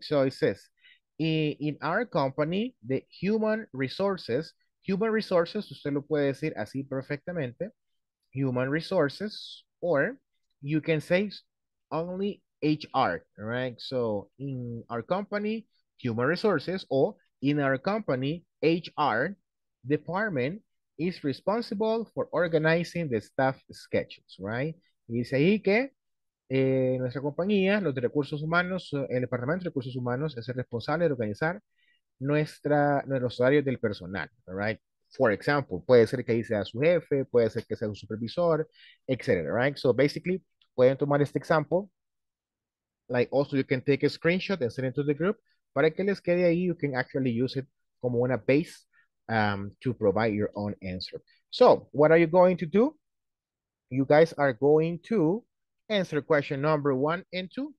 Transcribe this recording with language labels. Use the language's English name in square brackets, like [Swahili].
[English] So it says, in our company, the human resources, [Spanish] usted lo puede decir así perfectamente, [English] human resources, or you can say only HR, all right? So in our company, human resources, or in our company, HR department is responsible for organizing the staff schedules, right? [Spanish] Y dice ahí que nuestra compañía, los de recursos humanos, el departamento de recursos humanos es el responsable de organizar nuestros horarios del personal, [English] right? For example, [Spanish] puede ser que ahí sea su jefe, puede ser que sea un supervisor, etc., [English] right? So basically, [Spanish] pueden tomar este example. [English] Like also you can take a screenshot and send it to the group. [Spanish] Para que les quede ahí, [English] you can actually use it [Spanish] como una base [English] to provide your own answer. So, what are you going to do? You guys are going to answer question number one and two.